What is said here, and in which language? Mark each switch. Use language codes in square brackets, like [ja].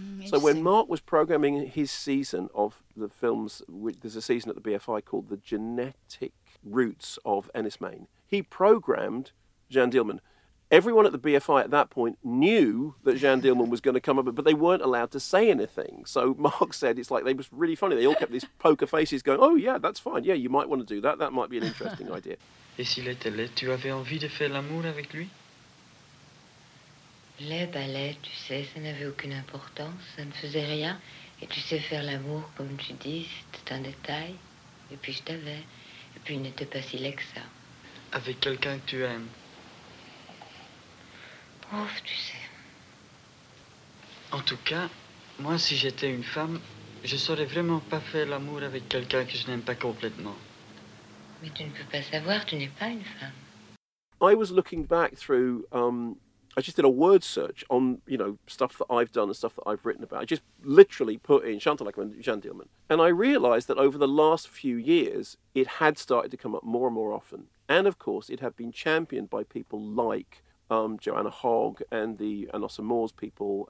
[en] So when Mark was programming his season of the films, there's a season at the BFI called The Genetic Roots of Ennismain, he programmed Jean Dielman. Everyone at the BFI at that point knew that Jean Dielman was going to come up, but they weren't allowed to say anything. So Mark said it's like they was really funny. They all kept these poker faces going, oh, yeah, that's fine. Yeah, you might want to do that. That might be an interesting idea. [fr] Et s'il était laid, tu avais envie de faire l'amour avec lui? Laid, bah laid, tu sais, ça n'avait aucune importance. Ça ne faisait rien. Et tu sais faire l'amour, comme tu dis, c'était un détail. Et puis je t'avais. Et puis il n'était pas si laid que ça. Avec quelqu'un que tu aimes? Ouf, tu sais. En tout cas, moi, si j'étais une femme, je saurais vraiment pas faire l'amour avec quelqu'un que je n'aime pas complètement. Mais tu ne peux pas savoir, tu n'es pas une femme. [en] I was looking back through, I just did a word search on, you know, stuff that I've done and stuff that I've written about. I just literally put in Chantal Ackerman, Jean Dielman. And I realised that over the last few years, it had started to come up more and more often. And, of course, it had been championed by people like Joanna Hogg and the Anossa Moores people.